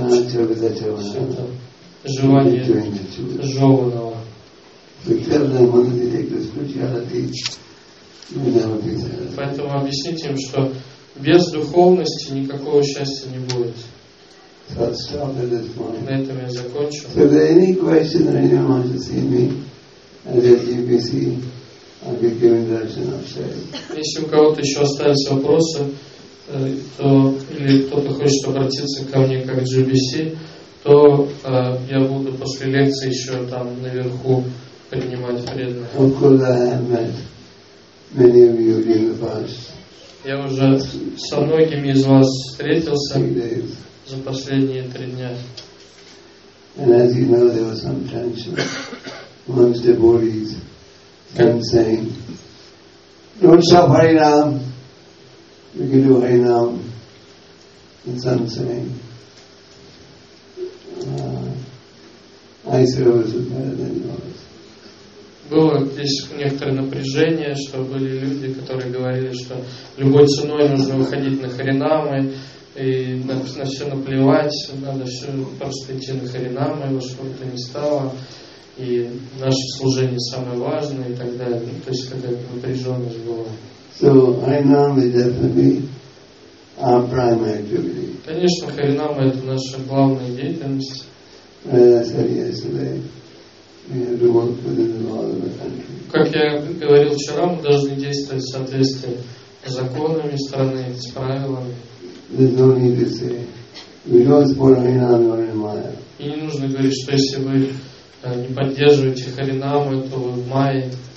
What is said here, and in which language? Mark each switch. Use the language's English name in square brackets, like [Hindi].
[Russian] Все это желание жеванного. Поэтому объясните им, что без духовности никакого счастья не будет. [English] So I'll stop at this point. [Russian] На этом я закончу. [English] So if there are any questions or anyone wants to see me at the GBC, I'll be giving direction upstairs. [Russian] Если у кого-то еще остались вопросы, то или кто-то хочет обратиться ко мне как GBC, то я буду после лекции еще там наверху принимать преданных. [English] Of course, I have met many of you in the past. [Russian] Я уже со многими из вас встретился за последние три дня. [English] And as you know, there was some tension amongst devotees, some saying, "Don't stop Harinam, we can do Harinam." And some saying, "I service is better than yours." [Russian] Было здесь некоторое напряжение, что были люди, которые говорили, что любой ценой нужно выходить на Харинамы. И на все наплевать, надо все просто идти на Харинам, его что-то не стало, и наше служение самое важное и так далее. Ну, то есть какая-то напряженность была. [English] So Harinam is definitely our primary activity. [Russian] Конечно, Харинам это наша главная деятельность. [English] As I said yesterday, we have to work within the law of the country. [Russian] Как я говорил вчера, мы должны действовать в соответствии с законами страны, с правилами. [English] There's no need to say we don't support Harinam or Maya. [Russian] И не нужно говорить, что если вы не поддерживаете Харинаму, то вы в Майе.